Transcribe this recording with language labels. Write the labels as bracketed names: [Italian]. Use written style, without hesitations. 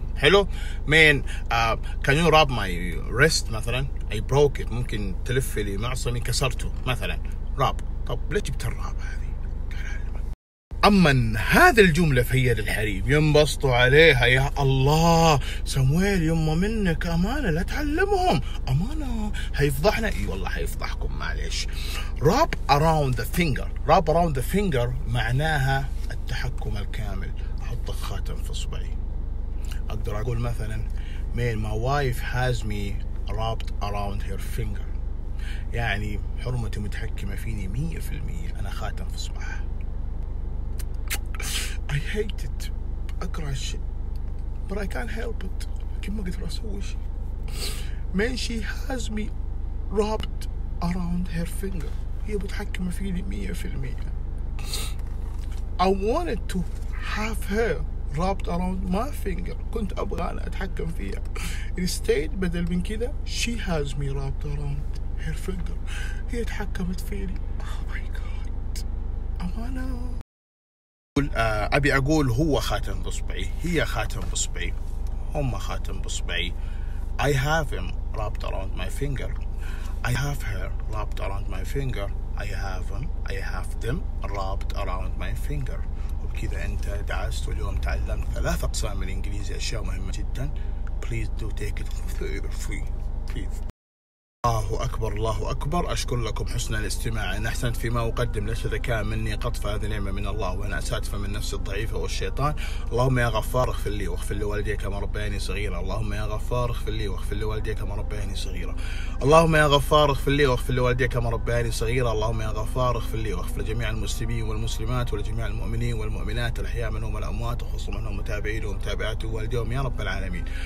[Arabic] حلو مين كان يو راب ماي ريست مثلا، اي بروك ات، ممكن تلف لي معصمي كسرته مثلا، راب. طب ليش جبت الراب هذه؟ أما هذه الجملة فهي للحريم ينبسطوا عليها. يا الله سمويل يما منك أمانة، لا تعلمهم أمانة هيفضحنا. إي والله هيفضحكم معليش. [English] wrap around the finger، wrap around the finger [Arabic] معناها التحكم الكامل، أحط خاتم في صبعي. أقدر أقول مثلا مين [English] my wife has me wrapped around her finger، [Arabic] يعني حرمتي متحكمة فيني 100%، أنا خاتم في صبعها. [English] I hate it. [Arabic] أكره الشيء. [English] But I can't help it. [Arabic] كم أقدر أسوي شيء. [English] Man she has me wrapped around her finger. [Arabic] هي بتحكم فيني 100%. [English] I wanted to have her wrapped around my finger. [Arabic] كنت أبغى أنا أتحكم فيها. [English] Instead [Arabic] بدل من كده [English] she has me wrapped around her finger. [Arabic] هي تحكمت فيني. [English] Oh my god. [Arabic] أمانة. أبي أقول هو خاتم بصبعي، هي خاتم بصبعي، هم خاتم بصبعي. [English] I have him wrapped around my finger. I have her wrapped around my finger. I have him. I have them wrapped around my finger. [Arabic] وبكذا أنت دعست واليوم تعلمت ثلاث أقسام من الإنجليزي، أشياء مهمة جدا. [English] Please do take it seriously. [Arabic] Please. الله أكبر الله أكبر. أشكر لكم حسن الاستماع. إن أحسنت فيما أقدم ليس ذكاء مني قطف، هذه نعمة من الله، وأنا أسأتف من نفسي الضعيفة والشيطان. اللهم يا غفار اغفر لي واغفر لوالدي كما ربياني صغيرة. اللهم يا غفار اغفر لي واغفر لوالدي كما ربياني صغيرة. اللهم يا غفار اغفر لي واغفر لوالدي كما ربياني صغيرة. اللهم يا غفار اغفر لي واغفر لجميع المسلمين والمسلمات ولجميع المؤمنين والمؤمنات الأحياء منهم الأموات، وخصوصا منهم متابعين ومتابعات والديهم يا رب العالمين.